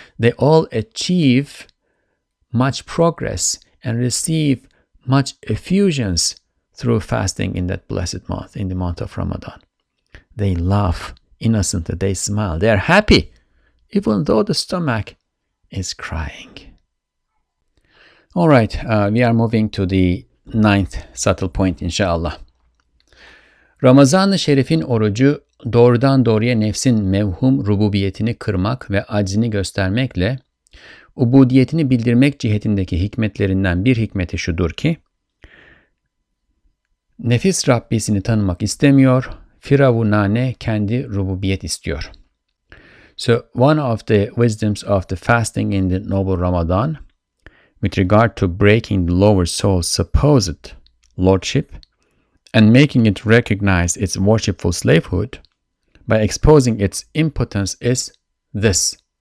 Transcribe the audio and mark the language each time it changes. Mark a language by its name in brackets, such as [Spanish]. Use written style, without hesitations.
[English] They all achieve much progress and receive much effusions through fasting in that blessed month, in the month of Ramadan. They laugh innocently, they smile, they are happy, even though the stomach is crying. All right, we are moving to the ninth subtle point, inshallah. [Turkish] Ramazan-ı Şerif'in orucu, doğrudan doğruya nefsin mevhum rububiyetini kırmak ve aczini göstermekle, ubudiyetini bildirmek cihetindeki hikmetlerinden bir hikmeti şudur ki, nefis Rabbisini tanımak istemiyor, firavunane kendi rububiyet istiyor. [English] So one of the wisdoms of the fasting in the noble Ramadan with regard to breaking the lower soul's supposed lordship and making it recognize its worshipful slavehood by exposing its impotence is this.